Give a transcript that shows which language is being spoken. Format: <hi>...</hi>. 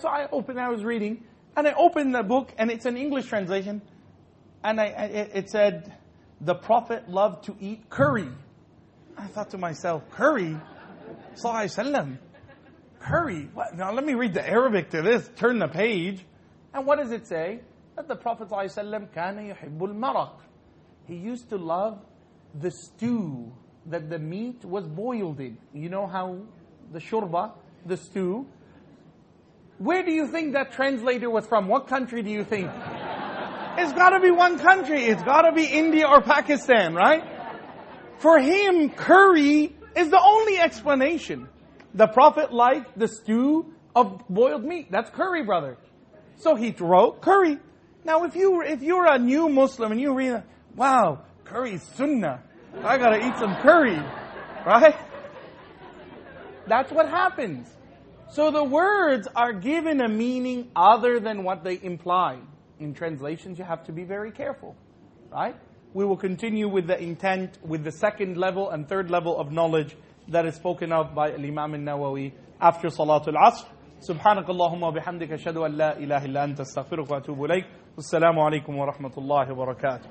<en>So I opened, I was reading. And I opened the book, and it's an English translation. And it said, the Prophet loved to eat curry. I thought to myself, curry? Sallallahu alayhi wa sallam. Curry? What? Now let me read the Arabic to this. Turn the page. And what does it say? That the Prophet ﷺ,</en> <ar>كَانَ يُحِبُّ الْمَرَقِ.</ar> <en>He used to love the stew that the meat was boiled in. You know how the shurba, the stew. Where do you think that translator was from? What country do you think? It's got to be one country. It's got to be India or Pakistan, right? For him, curry is the only explanation. The Prophet liked the stew of boiled meat. That's curry, brother. So he wrote curry. Now if you're a new Muslim and you read, wow, curry is sunnah. I gotta eat some curry. Right? That's what happens. So the words are given a meaning other than what they imply. In translations you have to be very careful. Right? We will continue with the intent, with the second level and third level of knowledge that is spoken of by Imam al-Nawawi after Salatul Asr.</en> <ar>سبحانك اللهم وبحمدك أشهد أن لا إله إلا أنت أستغفرك وأتوب إليك والسلام عليكم ورحمة الله وبركاته</ar>